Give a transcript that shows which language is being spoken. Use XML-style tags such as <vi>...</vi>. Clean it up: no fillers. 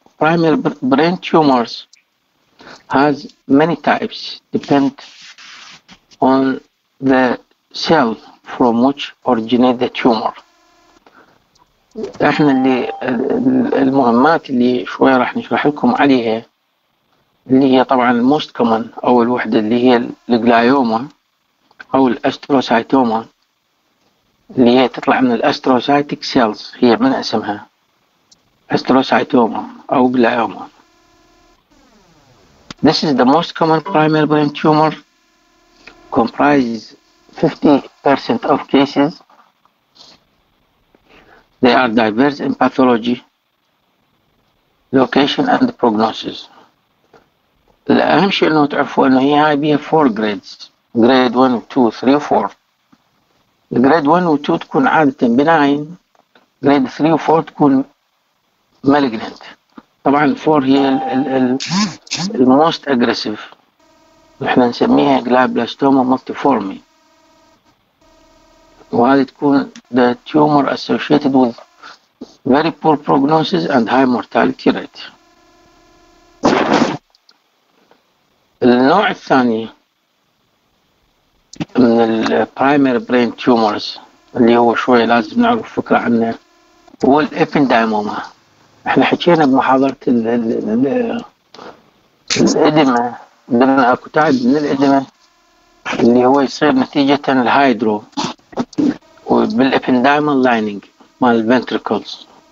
<en>Primary brain tumors has many types, depend on the cell from which originate the tumor.</en> <ar>احنا اللي المهمات اللي شوية راح نشرح لكم عليها اللي هي طبعا most common او الوحدة اللي هي الجلايوما او الاستروسايتوما اللي هي تطلع من الاستروسايتك سيلز هي من اسمها استروسايتوما او جلايوما.</ar> <en>This is the most common primary brain tumor, comprises 50% of cases. They are diverse in pathology, location and prognosis.</en> <ar>الأهم شيء أنه تعرفوا أنه هي هاي بيها 4 grades.</ar> <en>Grade 1, 2, 3, 4.</en> <ar>Grade 1 و 2 تكون عادة benign. Grade 3 و 4 تكون malignant. طبعا 4 هي الـ most aggressive. احنا نسميها glioblastoma multiforme. وهذه تكون</ar> <en>the tumor associated with very poor prognosis and high mortality rate.</en> <ar>النوع الثاني من الـ primary brain tumors اللي هو شوية لازم نعرف فكرة عنه هو الـ ependymoma. احنا حكينا بمحاضرة الإدمة، قلنا اكو تعب من الإدمة اللي هو يصير نتيجة الهايدرو وبالإبنداميال لايننج مال الفنتريكلز.</ar>